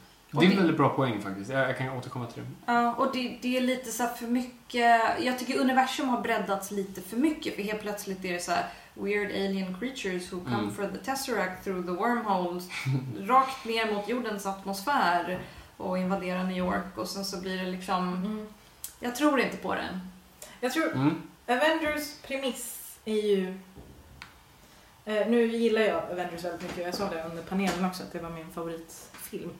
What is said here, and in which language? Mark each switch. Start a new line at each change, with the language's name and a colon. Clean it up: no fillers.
Swedish: Det är en väldigt bra poäng faktiskt. Jag kan återkomma till det. Ja, och det är lite så här för mycket... Jag tycker universum har breddats lite för mycket. För helt plötsligt är det så här...
English: Weird alien creatures who come from the Tesseract through the wormholes.
Swedish: Rakt ner mot jordens atmosfär. Och invaderar New York. Och sen så blir det liksom... Mm. Jag tror inte på det. Jag tror... Mm. Avengers premiss är ju... Nu gillar jag Avengers väldigt mycket. Jag sa det under panelen också. Att det var min favorit... film.